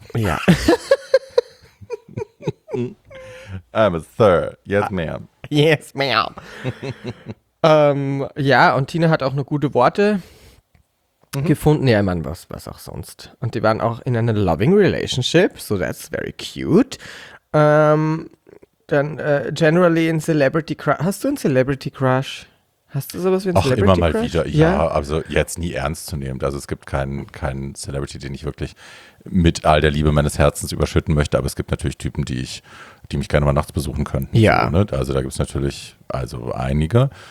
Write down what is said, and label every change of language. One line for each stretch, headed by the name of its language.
German: Ja.
English: I'm a Sir. Yes, ma'am. Yes, ma'am.
German: ja, und Tina hat auch noch gute Worte gefunden. Ja, ich meine, was auch sonst. Und die waren auch in einer
English: loving relationship, so that's very cute.
German: Dann generally in Celebrity Crush. Hast du einen Celebrity Crush? Hast du sowas wie ein Celebrity Crush? Ach, immer mal wieder, ja. Also jetzt nie ernst zu nehmen. Also es gibt keinen Celebrity, den ich wirklich mit all der Liebe meines Herzens überschütten möchte. Aber es gibt natürlich Typen, die mich gerne mal nachts besuchen könnten. Ja. So, ne? Also da gibt es natürlich also einige.